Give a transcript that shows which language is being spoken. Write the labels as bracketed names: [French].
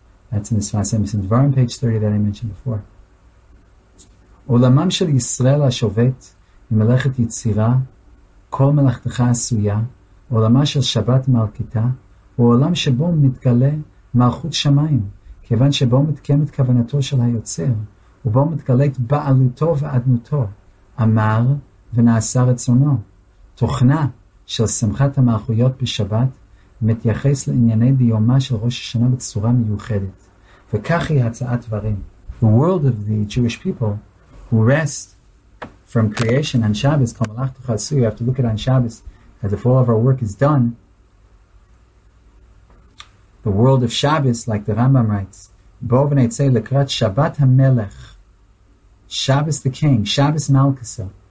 [Hebrew] That's in the Sfas Emes and Dvarim, page 30, that I mentioned before. Olamam shel Yisrael ha-shovet, imelechet yitzira, kol melechtecha asuya, olama shel Shabbat malkita, olam shebo mitgale מלכות שמיים, כיוון שבו מתקיימת כוונתו של היוצר, ובו מתגלית בעלותו ועדנותו, אמר ונעשה רצונו. תוכנה של שמחת המלכויות בשבת מתייחס לענייני דיומה של ראש השנה בצורה מיוחדת. וכך היא הצעת דברים. [English] The world of the Jewish people who rest from creation on Shabbos, [Hebrew] כל מלאכת חסו, [English] you have to look at on Shabbos, as if all of our work is done, the world of Shabbos, like the Rambam writes, [Hebrew] Bo v'neitzei lekrat Shabbat ha-melech, [English] Shabbos the king, Shabbos Malkasa.